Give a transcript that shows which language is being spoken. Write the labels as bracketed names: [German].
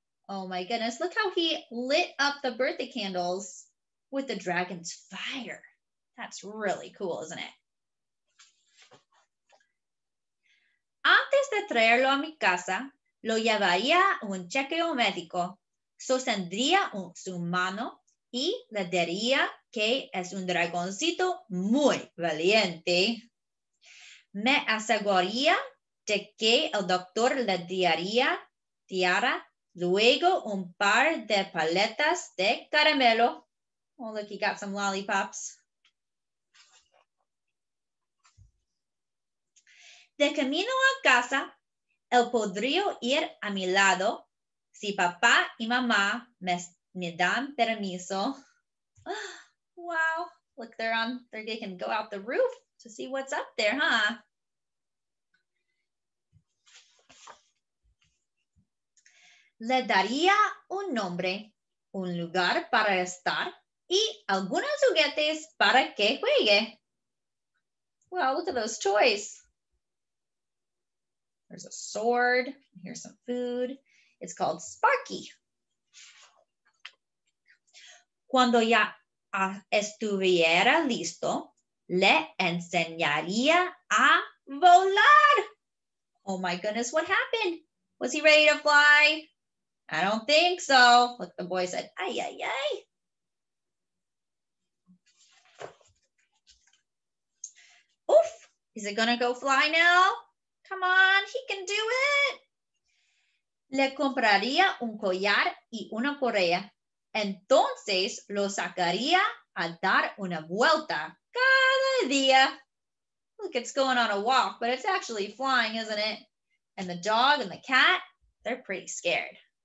[English] Oh my goodness, look how he lit up the birthday candles with the dragon's fire. That's really cool, isn't it? [Spanish] Antes de traerlo a mi casa, lo llevaría un chequeo médico. Sostendría su mano y le diría que es un dragoncito muy valiente. Me aseguraría de que el doctor le diera luego un par de paletas de caramelo. [English] Oh, look, he got some lollipops. [Spanish] De camino a casa, él podría ir a mi lado si papá y mamá me dan permiso. [English] Wow, look, they can go out the roof to see what's up there, huh? [Spanish] Le daría un nombre, un lugar para estar y algunos juguetes para que juegue. [English] Wow, look at those toys. There's a sword. Here's some food. It's called Sparky. [Spanish] Cuando ya estuviera listo, le enseñaría a volar. [English] Oh my goodness, what happened? Was he ready to fly? I don't think so. Look, the boy said, ay, ay, ay. Oof, is it gonna go fly now? Come on, he can do it. [Spanish] Le compraría un collar y una correa. Entonces lo sacaría a dar una vuelta cada día. [English] Look, it's going on a walk, but it's actually flying, isn't it? And the dog and the cat, they're pretty scared.